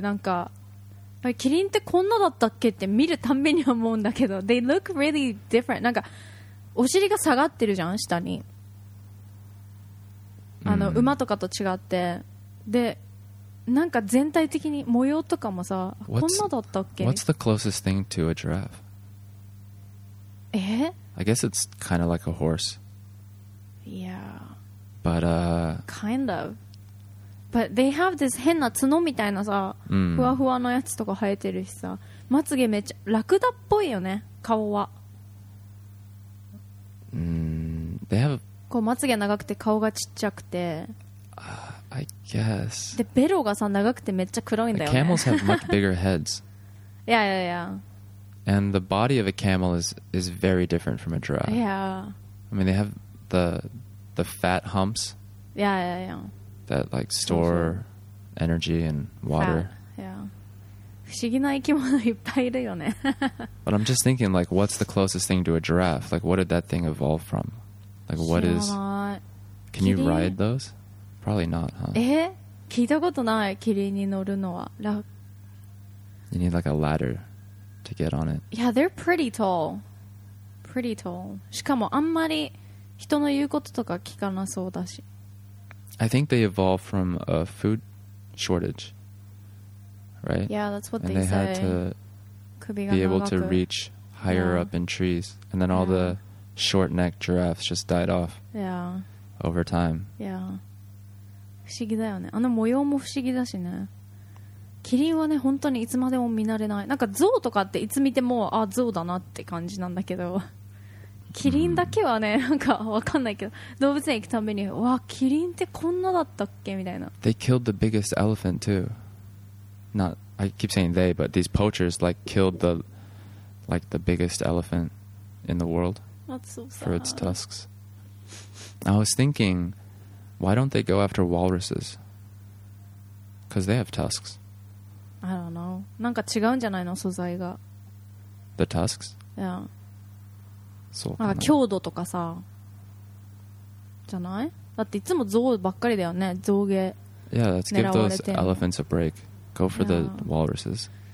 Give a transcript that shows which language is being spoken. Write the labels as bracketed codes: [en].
[ja] なんか、キリンってこんなだったっけって見るたんびに思うんだけど、 [en] they look really different。 [ja] なんかお尻が下がってるじゃん下に。あの、馬とかと違って、で、なんか全体的に模様とかもさ、こんなだったっけ [en] ？What's the closest thing to a giraffe? I guess it's kind of like a horse. Yeah. But, Kind of. But they have this [ja] 変な角みたいなさ、ふわふわのやつとか生えてるしさ、まつげめっちゃ、ラクダっぽいよね、顔は。 [en] They have... [ja] こう、まつげ長くて顔がちっちゃくて。 [en] I guess... [ja] で、ベロがさ、長くてめっちゃ黒いんだよね。 [en] Camels have much bigger heads. Yeah, yeah, yeah. And the body of a camel is very different from a giraffe. Yeah. I mean, they have the fat humps. Yeah, yeah, yeah. That, like, store energy and water. Fat, yeah. [ja] 不思議な生き物いっぱいいるよね。 [en] But I'm just thinking, like, what's the closest thing to a giraffe? Like, what did that thing evolve from? Like, what is... Can you ride those? Probably not, huh? [ja] 聞いたことない、キリンに乗るのは。 [en] You need, like, a ladder. To get on it. Yeah, they're pretty tall. Pretty tall. [ja] しかもあんまり人の言うこととか聞かなそうだし。 [en] I think they evolved from a food shortage, right? Yeah, that's what they say. And they had to be able to reach higher up in trees. And then all the short-necked giraffes just died off over time. [ja] Yeah. 不思議だよね。あの模様も不思議だしね。キリンはね本当にいつまでも見慣れない。なんかゾウとかっていつ見てもあゾウだなって感じなんだけど、キリンだけはねなんかわかんないけど、動物園行くためにわキリンってこんなだったっけみたいな。 [en] They killed the biggest elephant too. Not I keep saying they, but these poachers like killed the like the biggest elephant in the world. That's so sad. For its tusks. I was thinking, why don't they go after walruses? Because they have tusks. I don't know. [ja] なんか違うんじゃないの素材が。 [en] The tusks? Yeah. [ja] そうかな。なんか強度とかさ。じゃない？だっていつも象ばっかりだよね。象毛。 [en] Yeah, let's give those elephants a break. Go for the walruses.